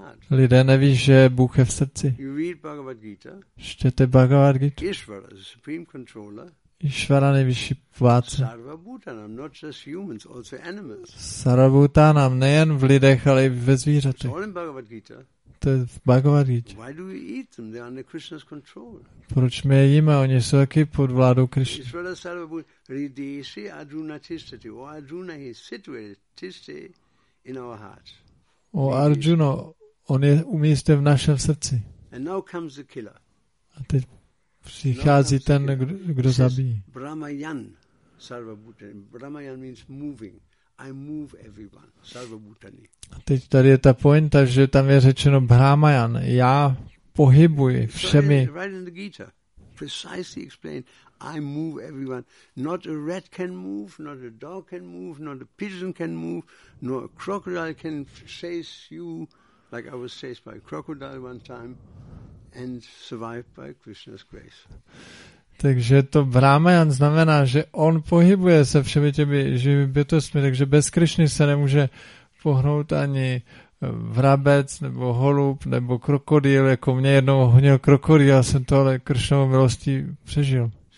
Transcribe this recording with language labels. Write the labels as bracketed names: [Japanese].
[Czech] Lidé neví, že Bůh je v srdci. Čtěte Bhagavad Gita. [English] Ishvara, the supreme controller. [Czech] Ishvara, nejvyšší vládce. [English] Sarvabhutanam, not just humans, also animals. [Czech] Sarvabhutanam, nejen v lidech, ale i ve zvířatech. To je v Bhagavad Gita. [English] Why do we eat them? They're under Krishna's control. [Czech] Proč my je jíme? Oni jsou taky pod vládou Krishna. [Sanskrit] Ishvara Sarvabhutanam, Arjuna tishtati. [English] O Arjuna, he is situated, tishti, in our hearts. [Czech] O Arjuno, on je umístěn v našem srdci. [English] And now comes the killer. [Czech] A teď přichází ten, kdo zabíjí. [Sanskrit] Brahmayan, sarvabhutani. [English] Brahmayan means moving. I move everyone, sarvabhutani. [Czech] A teď tady je ta pointa, že tam je řečeno Brahmayan. Já pohybuji všemi. [English] Right in the Gita, precisely explained. I move everyone. Not a rat can move, not a dog can move, not a pigeon can move, nor a crocodile can chase you, like I was chased by a crocodile one time, and survived by Krishna's grace. [Czech] Takže to Brahman znamená, že on pohybuje se všemi těmi živými bytostmi, takže bez Krišny se nemůže pohnout ani vrabec, nebo holub, nebo krokodýl, jako mě jednou honil krokodýl, já jsem to ale Krišnovou milostí přežil.